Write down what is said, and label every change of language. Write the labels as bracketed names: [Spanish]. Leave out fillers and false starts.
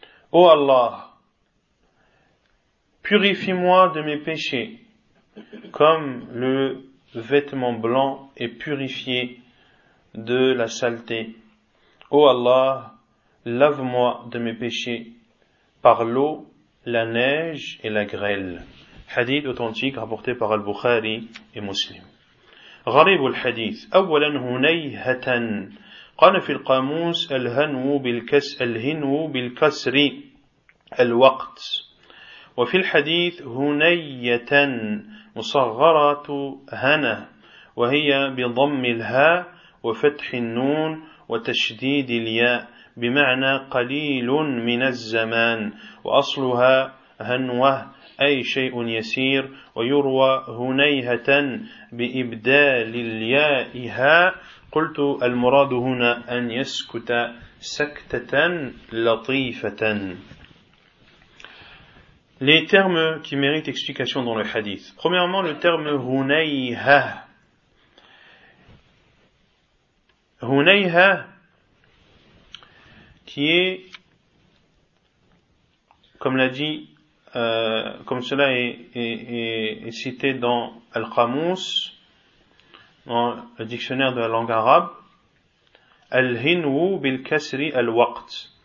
[French] Ô Allah, purifie-moi de mes péchés, comme le vêtement blanc est purifié de la saleté. Ô Allah, lave-moi de mes péchés par l'eau, la neige et la grêle. Hadith authentique rapporté par Al-Bukhari et Muslim. [Arabic] غريب الحديث أولا هنيهة قال في القاموس الهنو بالكسر الوقت وفي الحديث هنية مصغرة هنا وهي بضم الهاء وفتح النون وتشديد الياء بمعنى قليل من الزمان وأصلها هنوة أي شيء يسير ويروى هنيهة بإبدال اليائها قلت المراد هنا أن يسكت سكتة لطيفة. [French] Les termes qui méritent explication dans le hadith. Premièrement, le terme hunayha. Hunayha, qui est, comme l'a dit, comme cela est cité dans Al-Qamous, dans le dictionnaire de la langue arabe, [Arabic] Al-Hinwu bil-Kasri al-Waqt.